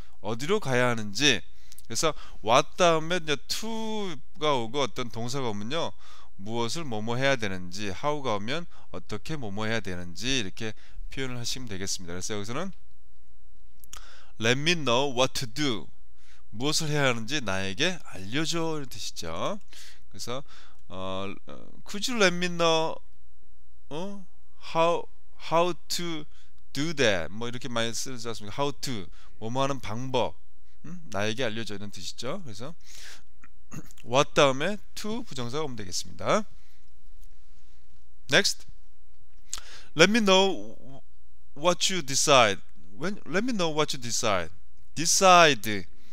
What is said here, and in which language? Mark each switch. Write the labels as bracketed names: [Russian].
[Korean] 어디로 가야 하는지. 그래서 what 다음에 이제 to가 오고 어떤 동사가 오면요. 무엇을 뭐뭐 해야 되는지. How가 오면 어떻게 뭐뭐 해야 되는지 이렇게 표현을 하시면 되겠습니다. 그래서 여기서는 [English] Let me know what to do. [Korean] 무엇을 해야 하는지 나에게 알려줘 이런 뜻이죠. 그래서 [English] Could you let me know how to do that? [Korean] 뭐 이렇게 많이 쓰지 않습니까? [English] How to [Korean] 뭐뭐 하는 방법 나에게 알려줘 이런 뜻이죠. 그래서 What 다음에 to 부정사가 오면 되겠습니다. Next. [English] Let me know what you decide. Let me know what you decide. Decide.